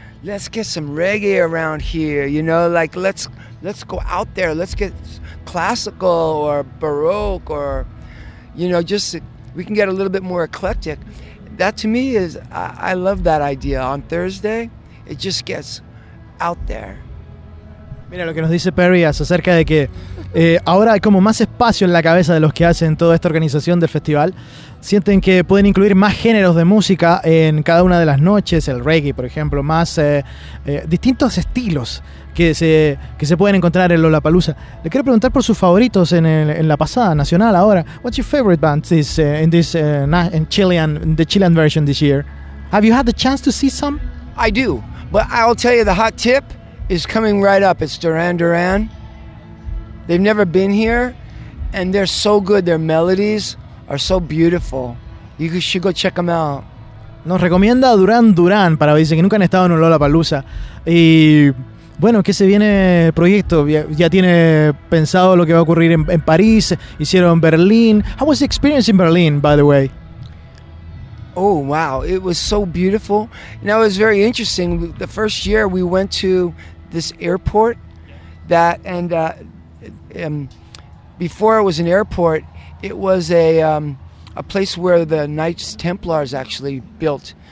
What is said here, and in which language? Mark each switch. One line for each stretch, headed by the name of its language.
English: Let's get some reggae around here, you know, like let's go out there, let's get classical or baroque, or, you know, just we can get a little bit more eclectic. That to me is, I love that idea. On Thursday it just gets out there.
Spanish: Mira lo que nos dice Perry acerca de que ahora hay como más espacio en la cabeza de los que hacen toda esta organización del festival. Sienten que pueden incluir más géneros de música en cada una de las noches, el reggae, por ejemplo, más distintos estilos que se pueden encontrar en Lollapalooza. Le quiero preguntar por sus favoritos en la pasada nacional ahora.
English: What's your favorite band in the Chilean version this year? Have you had the chance to see some? I do, but I'll tell you the hot tip is coming right up. It's Duran Duran. They've never been here, and they're so good. Their melodies are so beautiful. You should go check them out.
Spanish: Nos recomienda Duran Duran para dice que nunca han estado en un Lollapalooza. Y bueno, ¿qué se viene el proyecto? ¿Ya tiene pensado lo que va a ocurrir en París? ¿Hicieron Berlín?
English: How was the experience in Berlin, by the way? Oh, wow. It was so beautiful. Now, it was very interesting. The first year, we went to this airport before it was an airport, it was a place where the Knights Templars actually built.